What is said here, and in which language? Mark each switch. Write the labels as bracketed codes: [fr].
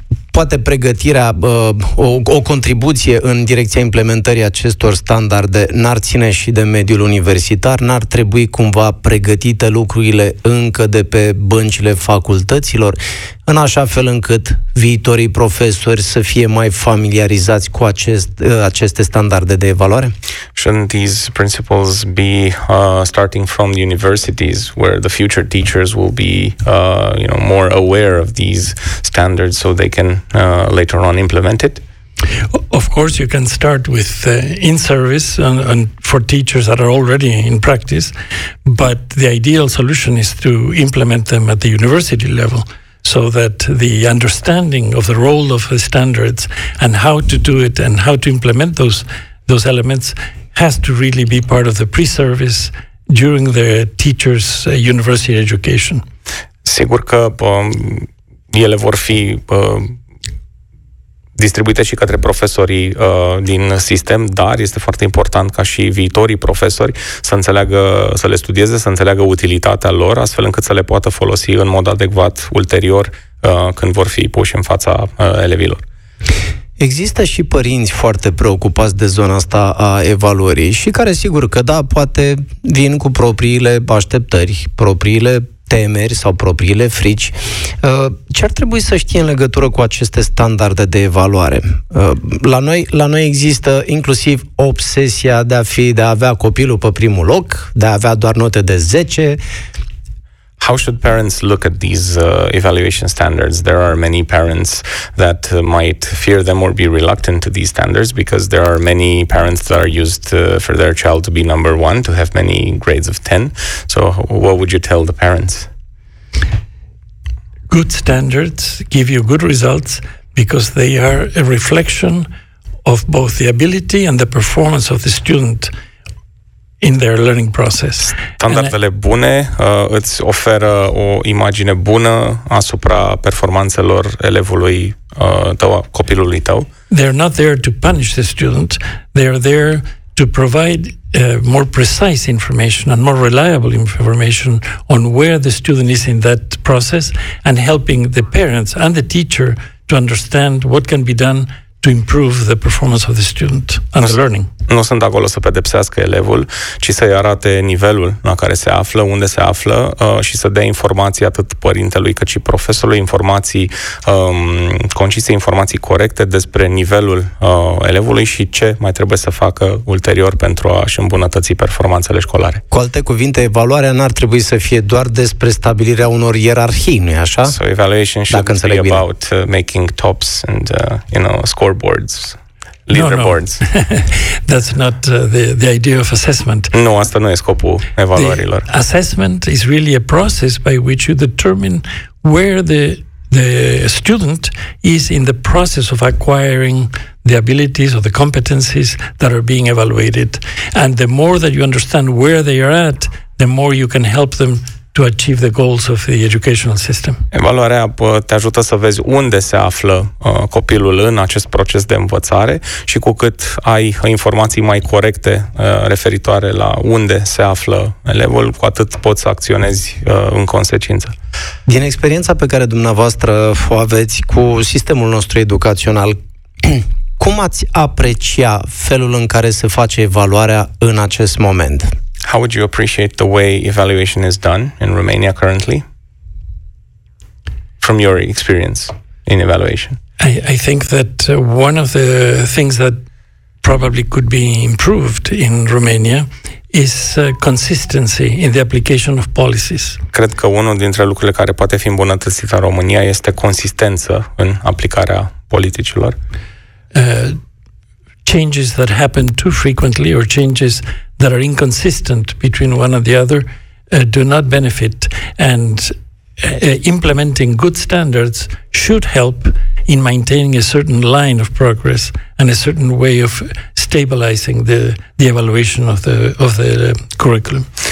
[ro] Poate pregătirea, o contribuție în direcția implementării acestor standarde n-ar ține și de mediul universitar? N-ar trebui cumva pregătite lucrurile încă de pe băncile facultăților? În așa fel încât viitorii profesori să fie mai familiarizați cu aceste standarde de evaluare? [en] Shouldn't these principles be starting from the universities where the future teachers will be more aware of these standards so they can later on implement it? Of course you can start with in service and for teachers that are already in practice, but the ideal solution is to implement them at the university level. so that the understanding of the role of the standards and how to do it and how to implement those elements has to really be part of the pre-service during the teacher's university education. [ro] Sigur că ele vor fi distribuite și către profesorii din sistem, dar este foarte important ca și viitorii profesori să înțeleagă, să le studieze, să înțeleagă utilitatea lor, astfel încât să le poată folosi în mod adecvat ulterior când vor fi puși în fața elevilor. Există și părinți foarte preocupați de zona asta a evaluării și care, sigur că da, poate vin cu propriile așteptări, propriile temeri sau propriile frici. Ce ar trebui să știe în legătură cu aceste standarde de evaluare? La noi există inclusiv obsesia de a avea copilul pe primul loc, de a avea doar note de 10. [en] How should parents look at these evaluation standards? There are many parents that might fear them or be reluctant to these standards because there are many parents that are used for their child to be number one, to have many grades of 10. So what would you tell the parents? Good standards give you good results because they are a reflection of both the ability and the performance of the student in their learning process. [ro] Standardele bune îți oferă o imagine bună asupra performanțelor elevului tău, copilului tău. [en] They're not there to punish the student. They are there to provide more precise information and more reliable information on where the student is in that process and helping the parents and the teacher to understand what can be done to improve the performance of the student and the learning. [ro] Nu sunt acolo să pedepsească elevul, ci să-i arate nivelul la care se află, unde se află și să dea informații atât părintelui cât și profesorului, informații concise, informații corecte despre nivelul elevului și ce mai trebuie să facă ulterior pentru a-și îmbunătăți performanțele școlare. Cu alte cuvinte, evaluarea n-ar trebui să fie doar despre stabilirea unor ierarhii, nu-i așa? [en] So evaluation should be about making tops and scoreboards. Leaderboards. No, no. That's not the idea of assessment. [ro] Nu, asta nu e scopul evaluărilor. [en] The assessment is really a process by which you determine where the student is in the process of acquiring the abilities or the competencies that are being evaluated. And the more that you understand where they are at, the more you can help them to achieve the goals of the educational system. [ro] Evaluarea te ajută să vezi unde se află copilul în acest proces de învățare și cu cât ai informații mai corecte referitoare la unde se află elevul, cu atât poți să acționezi în consecință. Din experiența pe care dumneavoastră o aveți cu sistemul nostru educațional, cum ați aprecia felul în care se face evaluarea în acest moment? [en] How would you appreciate the way evaluation is done in Romania currently? From your experience in evaluation. I think that one of the things that probably could be improved in Romania is consistency in the application of policies. [ro] Cred că unul dintre lucrurile care poate fi îmbunătățit în România este consistența în aplicarea politicilor. [en] Changes that happen too frequently or changes that are inconsistent between one and the other do not benefit, and implementing good standards should help in maintaining a certain line of progress and a certain way of stabilizing the evaluation of the curriculum.